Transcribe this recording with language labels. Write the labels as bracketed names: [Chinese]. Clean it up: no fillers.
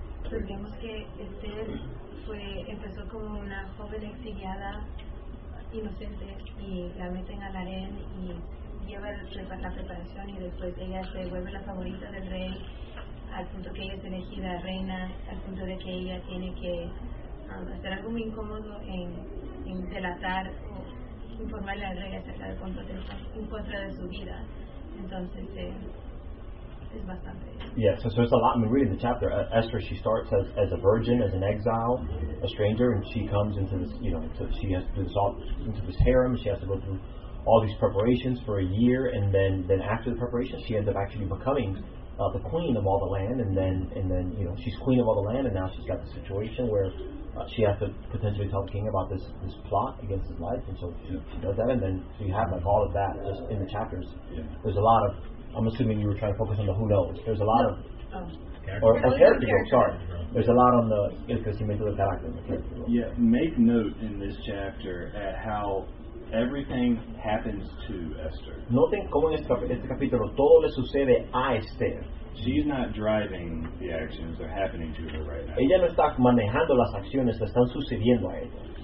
[Spanish] Vemos que Esther empezó como una joven exiliada, inocente, y la meten al harén y lleva la preparación, y después ella se vuelve la favorita del rey, al punto que ella es elegida reina, al punto de que ella tiene que hacer algo muy incómodo en delatar o informarle al rey acerca del contrato en contra de su vida. Entonces, es bastante. [English] Yeah, so it's a lot. I mean, reading the chapter, Esther, she starts as a virgin, as an exile, a stranger, and she comes into this, she has to dissolve into this harem, she has to go through all these preparations for a year, and then after the preparations, she ends up actually becoming the queen of all the land, and then she's queen of all the land, and now she's got the situation where she has to potentially tell the king about this plot against his life, and so she does that, and then so you have all of that just in the chapters. Yeah. There's a lot of, I'm assuming you were trying to focus on the who knows. There's a lot of character. There's a lot on the [Spanish] crecimiento del carácter. [English] Yeah, make note in this chapter at how everything happens to Esther. [Spanish] Noten cómo en este capítulo todo le sucede a Esther. [English] She's not driving the actions that are happening to her right now. [Spanish] Ella no está manejando las acciones que están sucediendo a ella.